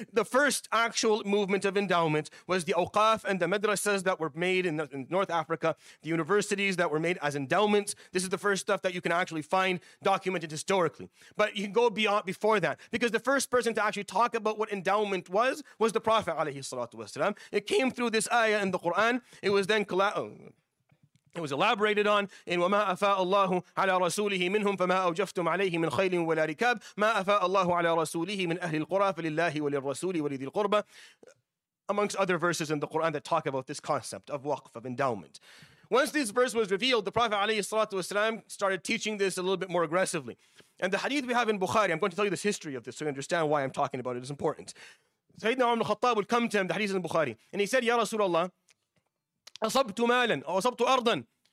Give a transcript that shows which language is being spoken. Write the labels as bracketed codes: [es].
[en] The first actual movement of endowment was the awqaf and the madrasas that were made in North Africa, the universities that were made as endowments. This is the first stuff that you can actually find documented historically. But you can go beyond before that, because the first person to actually talk about what endowment was the Prophet alayhi salatu wasalam. It came through this ayah in the Quran. It was then It was elaborated on in [ar] وَمَا أَفَاءَ اللَّهُ عَلَىٰ رَسُولِهِ مِنْهُمْ فَمَا أَوْجَفْتُمْ عَلَيْهِ مِنْ خَيْلٍ وَلَا رِكَابٍ مَا أَفَاءَ اللَّهُ عَلَىٰ رَسُولِهِ مِنْ أَهْلِ الْقُرَىٰ فَلِلَّهِ وَلِلْرَسُولِ وَلِذِي الْقُرْبَىٰ. [en] Amongst other verses in the Quran that talk about this concept of waqf, of endowment. Once this verse was revealed, the Prophet ﷺ started teaching this a little bit more aggressively. And the hadith we have in Bukhari, I'm going to tell you this history of this so you understand why I'm talking about it, it's important. Sayyidina Umar al-Khattab would come to him, the hadith in Bukhari, and he said, Ya Rasulullah, [ar] أصبت مالا أو أصبت أرضا